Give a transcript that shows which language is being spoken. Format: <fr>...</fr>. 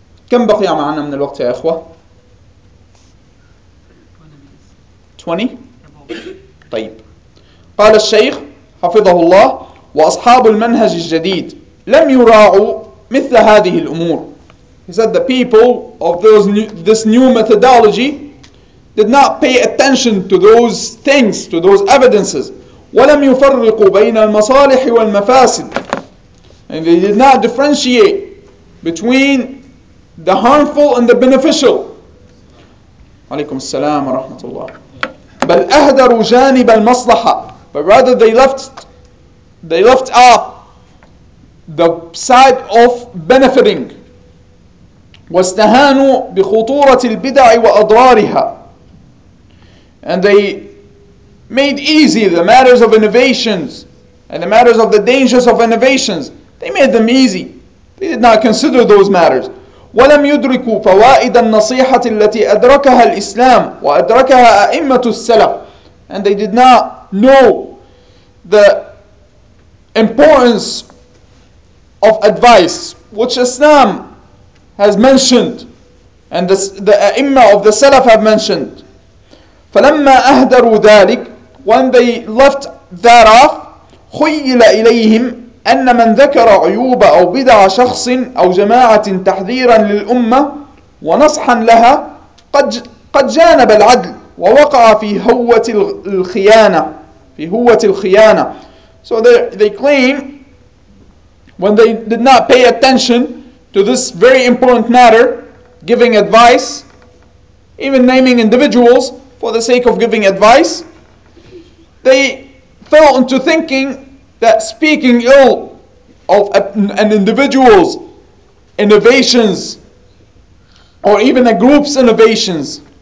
<ar>كم بقي معنا من الوقت يا إخوة؟ 20. طيب. قال الشيخ حفظه الله وأصحاب المنهج الجديد لم يراعوا مثل هذه الأمور.</ar> <en>He said the people of this new methodology did not pay attention to those things, to those evidences.</en> <ar>ولم يفرقوا بين المصالح والمفاسد.</ar> <en>And they did not differentiate between the harmful and the beneficial.</en> <ar>عليكم السلام ورحمة الله. بل أهدروا جانب المصلحة.</ar> <en>But rather they left out the side of benefiting.</en> <ar>واستهانوا بخطورة البدع وأضرارها.</ar> <en>And they made easy the matters of innovations and the matters of the dangers of innovations. They made them easy. They did not consider those matters.</en> <ar>ولم يدركوا فوائد النصيحة التي أدركها الإسلام وأدركها أئمة السلف.</ar> <en>And they did not know the importance of advice which Islam has mentioned and the أئمة of the Salaf have mentioned.</en> <ar>فلما أهدروا ذلك,</ar> <en>when they left that off,</en> <ar>خيل إليهم أن من ذكر عيوب أو بدع شخص أو جماعة تحذيرا للأمة ونصحا لها قد جانب العدل ووقع في هوة الخيانة. في هوة الخيانة.</ar> <en>So they claim when they did not pay attention to this very important matter, giving advice, even naming individuals for the sake of giving advice, they fell into thinking that speaking ill of an individual's innovations or even a group's innovations</en>